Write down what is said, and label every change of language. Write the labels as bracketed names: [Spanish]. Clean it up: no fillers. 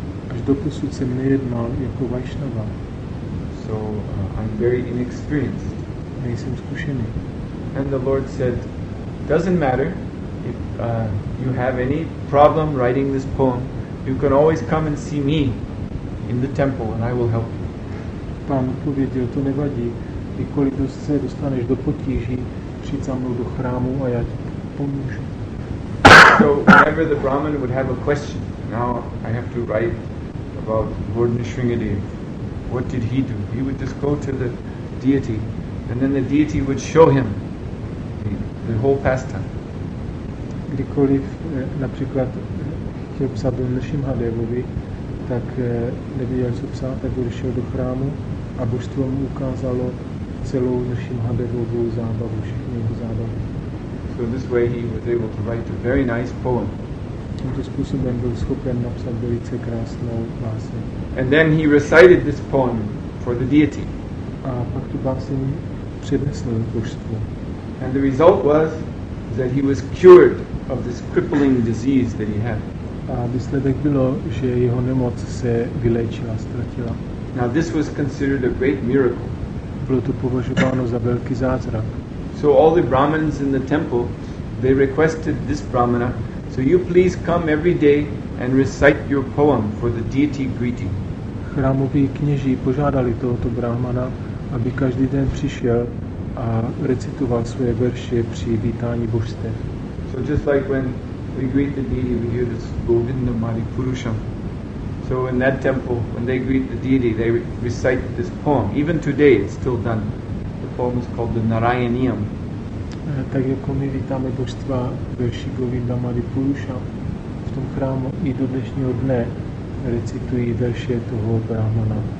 [Czech] Až doposud jsem nejednal jako Vaishnava. [English] So I'm very inexperienced. [Czech] Nejsem zkušený. [English] And the Lord said, doesn't matter if you have any problem writing this poem, you can always come and see me in the temple and I will help you. [Czech] Pán odpověděl, to nevadí, kdykoliv se dostaneš do potíží, přijď za mnou do chrámu a já ti pomůžu. [English] So whenever the Brahman would have a question, now I have to write about Lord Nrisimhadev. What did he do? He would just go to the deity, and then the deity would show him the whole pastime. [Czech] Kdykoliv například chtěl psát do Nrisimhadevovi, tak nevěděl, co psát, tak odešel do chrámu a božstvo mu ukázalo celou Nrisimhadevovu zábavu, všechny jeho zábavy. [English] So this way he was able to write a very nice poem. [Czech] Tímto způsobem byl schopen napsat velice krásnou báseň. [English] And then he recited this poem for the deity. [Czech] A pak tu báseň přednesl božstvu. [English] And the result was that he was cured of this crippling disease that he had. [Czech] A výsledek bylo, že jeho nemoc se vyléčila, ztratila. [English] Now this was considered a great miracle. [Czech] Bylo to považováno za velký zázrak. [English] So all the Brahmins in the temple, they requested this Brahmana, so you please come every day and recite your poem for the deity greeting. [Czech] Chrámoví kněží požádali tohoto Brahmana, aby každý den přišel a recitoval svoje verše při vítání božstev. [English] So just like when we greet the deity, we hear this Govinda Mari Purusham. So in that temple, when they greet the deity, they recite this poem. Even today, it's still done. Poem is called the Narayaniyam. [Czech] Tak jako my vítáme božstva verši Govinda Mari Purusha, v tom chrámu i do dnešního dne recitují verše toho Brahmana.